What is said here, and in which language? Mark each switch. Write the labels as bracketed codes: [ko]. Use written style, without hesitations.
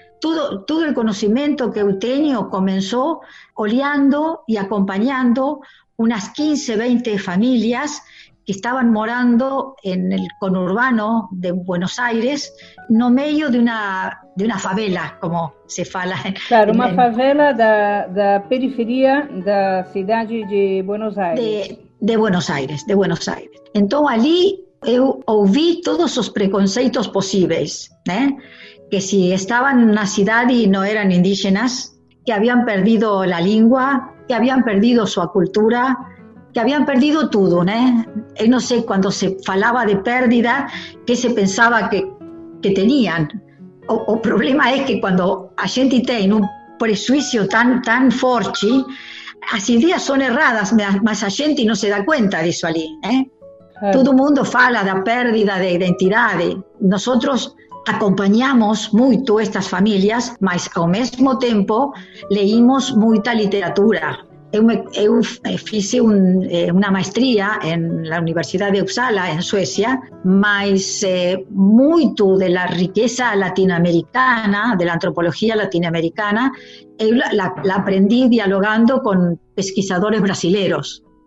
[es] Todo el conocimiento que yo tengo comenzó oleando y acompañando unas 15, 20 familias que estaban morando en el conurbano de Buenos Aires, no medio de una favela, [pt] como se fala. [es] Claro, una favela de periferia de la ciudad de Buenos Aires. De Buenos Aires. [pt] Então, ali eu ouvi todos os preconceitos possíveis, né? Que se estavam na cidade e não eram indígenas, que haviam perdido a língua, que haviam perdido sua cultura, que haviam perdido tudo, né? Eu não sei, quando se falava de perdida, que se pensava que tinham. O problema é que quando a gente tem um prejuízo tan forte, as ideias são erradas, mas a gente não se dá conta disso ali, né? Todo mundo fala da pérdida de identidade. [es] Nosotros acompañamos mucho estas familias, [pt] mas ao mesmo tempo [es] leímos mucha literatura. [pt] Eu fiz [es] una maestría en la Universidad de Uppsala, en Suecia, mas mucho de la riqueza latinoamericana, de la antropología latinoamericana, eu la aprendí dialogando con pesquisadores brasileños.